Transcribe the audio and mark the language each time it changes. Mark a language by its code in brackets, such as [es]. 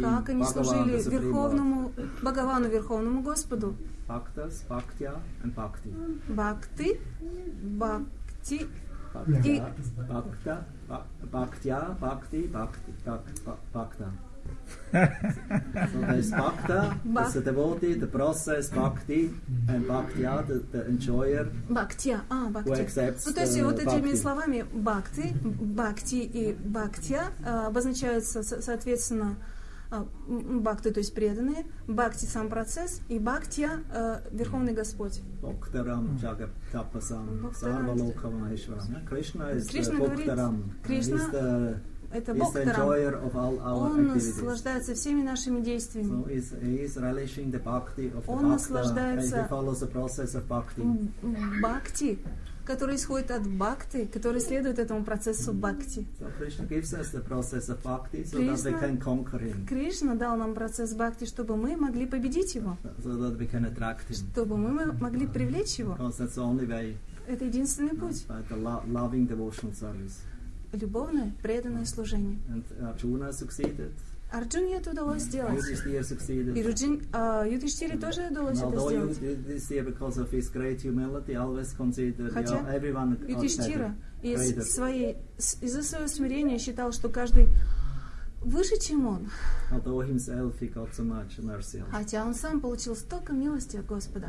[ru] как они служили верховному Бхагавану, верховному Господу. [en] Bhaktas, bhaktya and bhakti. [ru] Бхакти, бхакти. Бхакта, бхактя, бхакти, бхакти, бхакта. [en] So there is bhakta, it's a devotee, the process, bhakti, and bhaktya, the enjoyer. Bhaktya, bhakti. Who accepts the bhakti. [ru] То есть вот этими словами бхакти, бхакти и бхактя обозначаются, соответственно, бхакты, то есть преданные, бхакти — сам процесс, и бхактия — верховный Господь. [sa] Бхактарам джагатапасам сарвалокамахешварам. [ru] Кришна — бхактарам. Кришна — это бхактарам. Он наслаждается всеми нашими действиями. [en] So he is relishing the bhakti of the bhakta, and he follows the process of bhakti. [ru] Бхакти, который исходит от бхакты, который следует этому процессу бхакти. [en] So Krishna gives us the process of bhakti so Krishna, that we can conquer him. [ru] Кришна дал нам процесс бхакти, чтобы мы могли победить его. [en] So that we can attract him. [ru] Чтобы мы могли привлечь его. [en] Because that's the only way. [ru] Это единственный путь. [en] By the loving devotional service. [ru] Любовное преданное служение. [en] And Arjuna succeeded. [ru] Арджуне это удалось сделать. И Юдхиштхире тоже удалось это сделать. [en] Юдхиштхира, because of his great humility, always considered everyone greater. [ru] Юдхиштхира из-за своего смирения считал, что каждый выше, чем он. [en] Although himself he got so much mercy. [ru] Хотя он сам получил столько милости от Господа.